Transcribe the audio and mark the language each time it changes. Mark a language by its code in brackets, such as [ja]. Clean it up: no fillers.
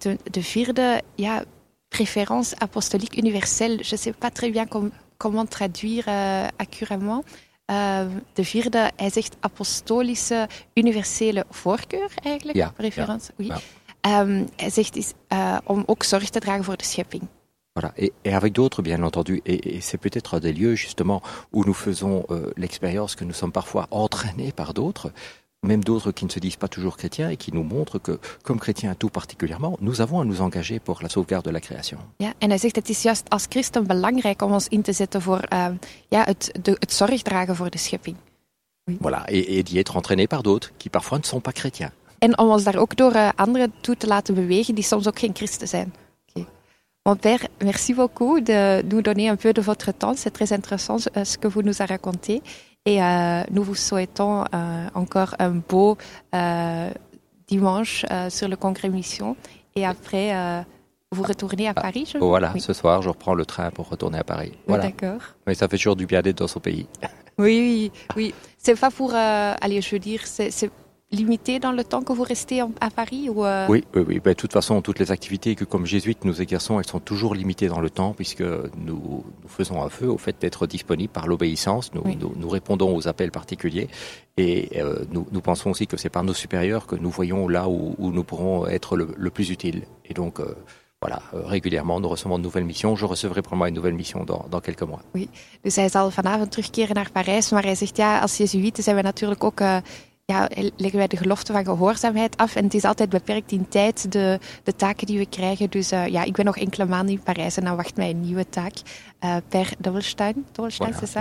[nl] De vierde [fr] préférence apostolique universelle, je ne sais pas très bien comment traduire accurément. [nl] De vierde, hij zegt apostolische universele voorkeur eigenlijk, ja, [fr] préférence. [nl] Ja, [fr] oui. [nl] Ja. Hij zegt om ook zorg te dragen voor de schepping. [fr] Voilà. Et avec d'autres, bien entendu, et c'est peut-être des lieux justement où nous faisons l'expérience que nous sommes parfois entraînés par d'autres, même d'autres qui ne se disent pas toujours chrétiens et qui nous montrent que, comme chrétiens tout particulièrement, nous avons à nous engager pour la sauvegarde de la création. [nl] Ja, en hij zegt, het is juist als christen belangrijk om ons in te zetten voor het zorg dragen voor de schepping. [fr] Oui. Voilà, et d'y être entraîné par d'autres qui parfois ne sont pas chrétiens. [nl] En om ons daar ook door anderen toe te laten bewegen die soms ook geen christen zijn. [fr] Mon père, merci beaucoup de nous donner un peu de votre temps. C'est très intéressant ce que vous nous avez raconté. Et nous vous souhaitons encore un beau dimanche sur le congrès mission. Et après, vous retournez à Paris, je crois. Voilà, oui. Ce soir, je reprends le train pour retourner à Paris. Voilà. D'accord. Mais ça fait toujours du bien d'être dans son pays. Oui. C'est pas pour... c'est limité dans le temps que vous restez à Paris ou Oui. Ben, de toute façon, toutes les activités que, comme jésuites, nous exerçons, elles sont toujours limitées dans le temps, puisque nous faisons un feu au fait d'être disponibles par l'obéissance. Nous répondons aux appels particuliers et nous pensons aussi que c'est par nos supérieurs que nous voyons là où nous pourrons être le plus utile. Et donc, régulièrement, nous recevons de nouvelles missions. Je recevrai probablement une nouvelle mission dans quelques mois. Oui, donc [nl] hij zal vanavond terugkeren naar Parijs, maar hij zegt, als jésuïte, zijn we natuurlijk ook... leggen wij de gelofte van gehoorzaamheid af. En het is altijd beperkt in tijd, de taken die we krijgen. Dus ik ben nog enkele maanden in Parijs en dan wacht mij een nieuwe taak. [fr] Per Dobbelstein, voilà, c'est ça?